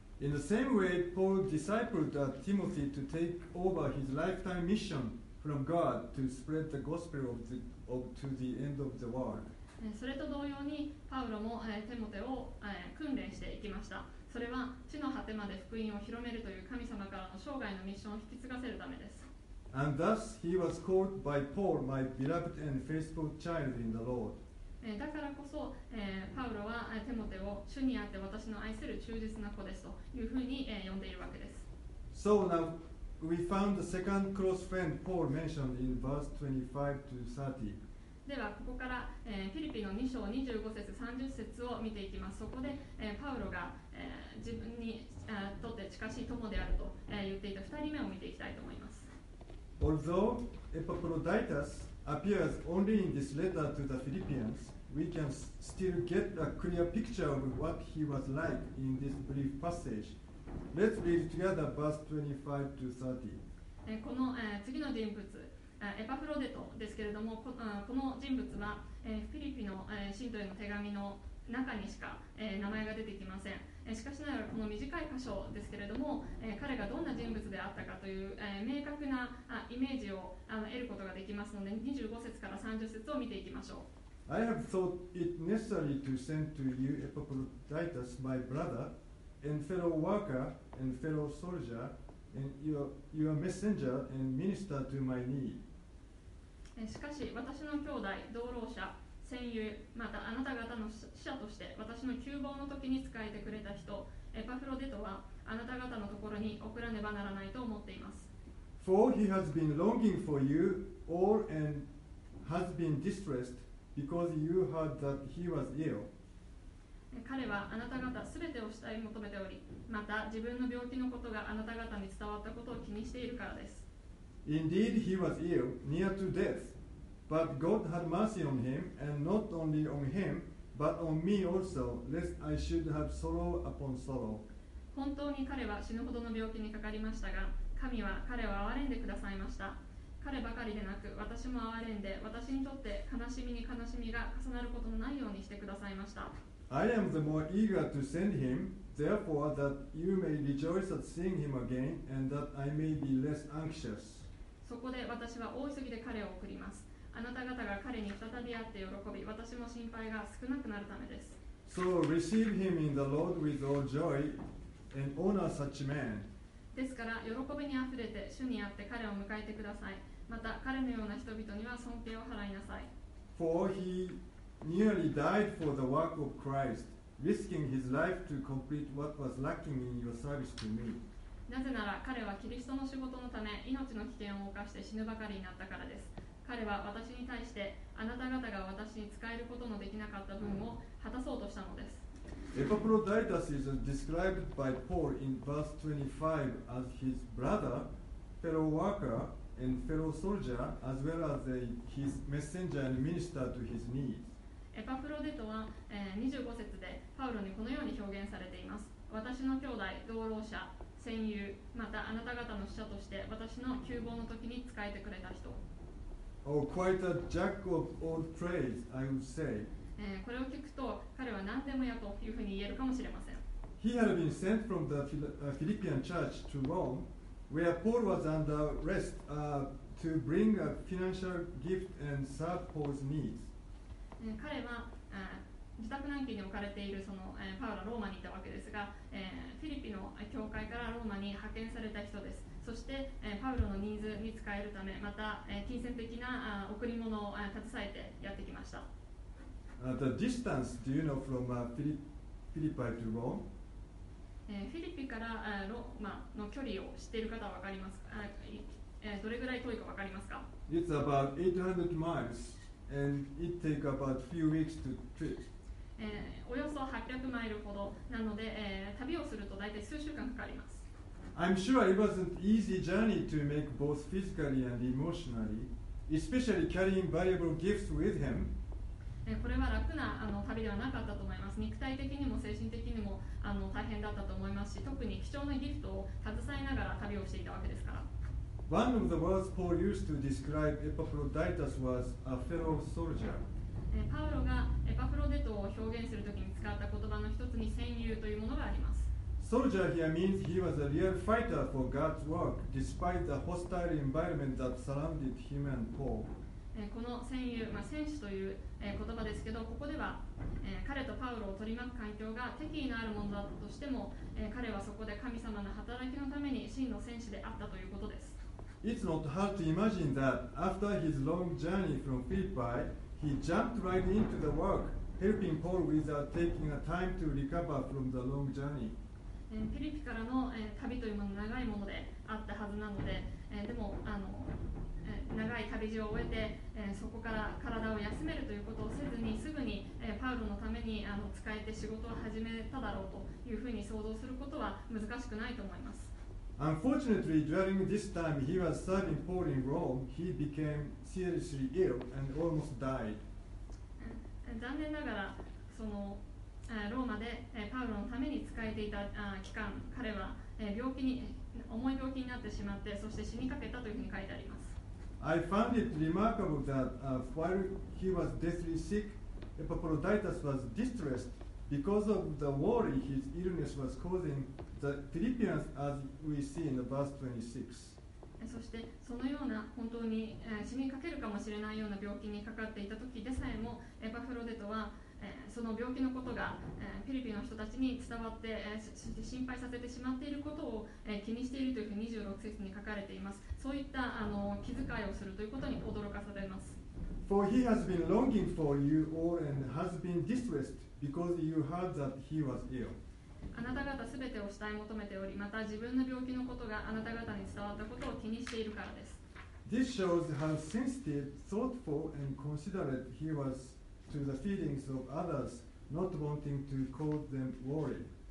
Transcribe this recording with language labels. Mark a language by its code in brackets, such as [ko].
[en] In the same way, Paul discipled Timothy to take over his lifetime mission from God to spread the gospel to the end of the world. [ja] それと同様に、パウロも、テモテを、訓練していきました。それは地の果てまで福音を広めるという神様からの生涯のミッションを引き継がせるためです。 [en] And thus he was called by Paul, my beloved and faithful child in the Lord. [ja] だからこそ、パウロはテモテを主にあって私の愛する忠実な子ですというふうに、呼んでいるわけです。 [en] So now we found the second close friend Paul mentioned in verse 25-30. [ja] ではここから、フィリピの2章25節30節を見ていきます。そこで、パウロが、自分にとって近しい友であると、言っていた2人目を見ていきたいと思います。 [en] Although Epaphroditus appears only in this letter to the Philippians, we can still get a clear picture of what he was like in this brief passage. Let's read together verse 25-30. [ja] この、次の人物エパフロデトですけれども、この人物はフィリピの信徒への手紙の中にしか名前が出てきません。しかしながらこの短い箇所ですけれども、彼がどんな人物であったかという明確なイメージを得ることができますので、25節から30節を見ていきましょう。 [en] I have thought it necessary to send to you Epaphroditus, my brother and fellow worker and fellow soldierAnd your messenger and minister to my need. [ja] しかし私の兄弟、同労者、戦友、またあなた方の使者として私の窮乏の時に仕えてくれた人、エパフロデトはあなた方のところに送らねばならないと思っています。 [en] For he has been longing for you all and has been distressed because you heard that he was ill. [ja] 彼はあなた方すべてを慕い求めており、また自分の病気のことがあなた方に伝わったことを気にしているからです。 [en] Indeed, he was ill, near to death. But God had mercy on him, and not only on him, but on me also, lest I should have sorrow upon sorrow. [ja] 本当に彼は死ぬほどの病気にかかりましたが、神は彼を憐れんでくださいました。彼ばかりでなく、私も憐れんで、私にとって悲しみに悲しみが重なることのないようにしてくださいました。 [en] I am the more eager to send him, therefore, that you may rejoice at seeing him again, and that I may be less anxious. [ja] そこで私は大急ぎで彼を送ります。あなた方が彼に再び会って喜び、私も心配が少なくなるためです。 [en] So receive him in the Lord with all joy, and honor such man. [ja] ですから喜びにあふれて主にあって彼を迎えてください。また彼のような人々には尊敬を払いなさい。 [en] For he... Nearly died for the work of Christ, risking his life to complete what was lacking in your service to me. [ja] なぜなら彼はキリストの仕事のため命の危険を冒して死ぬばかりになったからです。彼は私に対してあなた方が私に使えることのできなかった分を果たそうとしたのです。 [en] Epaphroditus is described by Paul in verse 25 as his brother, fellow worker, and fellow soldier, as well as his messenger and minister to his needs. [ja] エパフロデトは、25節でパウロにこのように表現されています。私の兄弟、同労者、戦友、またあなた方の使者として私の窮乏の時に仕えてくれた人。 [en] Oh, quite a jack of all trades, I would say. [ja] これを聞くと彼は何でもやというふうに言えるかもしれません。 [en] He had been sent from the Philippian church to Rome, where Paul was under arrest, to bring a financial gift and serve Paul's needs. [ja] 彼は自宅軟禁に置かれているそのパウロはローマにいたわけですが、フィリピの教会からローマに派遣された人です。そしてパウロのニーズに使えるため、また金銭的な贈り物を携えてやってきました。 [en] The distance, do you know from Philippi to Rome? [ja] フィリピからローマの距離を知っている方は分かりますか？どれぐらい遠いか分かりますか？ [en] It's about 800 miles and it takes about few weeks to trip. [ja] およそ800マイルほどなので、旅をすると大体数週間かかります。 [en] I'm sure it wasn't easy journey to make both physically and emotionally, especially carrying valuable gifts with him. [ja] これは楽な旅ではなかったと思います。肉体的にも精神的にも大変だったと思いますし、特に貴重なギフトを携えながら旅をしていたわけですから。 [en] One of the words Paul used to describe Epaphroditus was a fellow soldier. [ja] パウロがエパフロデトを表現するときに使った言葉の一つに戦友というものがあります。 [en] Soldier here means he was a real fighter for God's work, despite the hostile environment that surrounded him and Paul. [ja] この戦友、戦士という言葉ですけど、ここでは彼とパウロを取り巻く環境が敵意のあるものだとしても、彼はそこで神様の働きのために真の戦士であったということです。 [en] It's not hard to imagine that after his long journey from Philippi, he jumped right into the work, helping Paul without taking a time to recover from the long journey. [ja] フィリピからの旅というもの長いものであったはずなので、でも長い旅路を終えて、そこから体を休めるということをせずに、すぐにパウロのために使えて仕事を始めただろうというふうに想像することは難しくないと思います。 [en] Unfortunately, during this time he was serving Paul in Rome, he became seriously ill and almost died. [ja] 残念ながらそのローマでパウロのために使えていた期間、彼は病気に重い病気になってしまって、そして死にかけたというふうに書いてあります。 [en] I found it remarkable that while he was deathly sick, Epaphroditus was distressed because of the worry his illness was causing the Philippians, as we see in verse 26. [ja] そしてそのような本当に死にかけるかもしれないような病気にかかっていた時でさえも、エパフロデトはその病気のことがフィリピンの人たちに伝わって心配させてしまっていることを気にしているというふうに26節に書かれています。そういった気遣いをするということに驚かされます。 [en] For he has been longing for you all and has been distressed because you heard that he was ill. [ja] あなた方すべてを慕い求めており、また自分の病気のことがあなた方に伝わったことを気にしているからです。 [en] This shows how sensitive, thoughtful, and considerate he was to the feelings of others, not wanting to cause them worry.